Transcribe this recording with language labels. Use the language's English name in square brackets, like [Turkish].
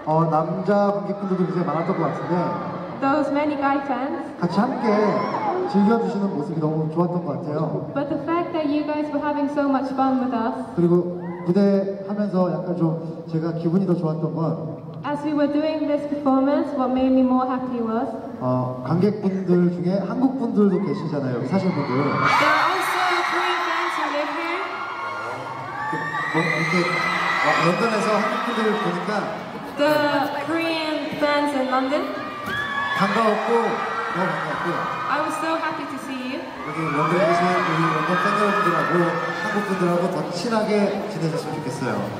[Korean] 남자 관객분들도 굉장히 많았던 것 같은데 [English] Those many guy fans [Korean] 같이 함께 즐겨주시는 모습이 너무 좋았던 것 같아요 [English] But the fact that you guys were having so much fun with us [Korean] 그리고 무대하면서 약간 좀 제가 기분이 더 좋았던 건 [English] As we were doing this performance, what made me more happy was [Korean] 관객분들 중에 한국분들도 계시잖아요, 여기 사실 분들 [English] There are also Korean fans who live here [Korean] 이렇게 런던에서 한국분들을 보니까 [English] The Korean fans in London. [Korean] 반가웠고 너무 반가웠고. [English] I was so happy to see you. [Korean] 여기 런던에서 우리 런던 팬 여러분들하고 한국 분들하고 더 친하게 지내셨으면 좋겠어요.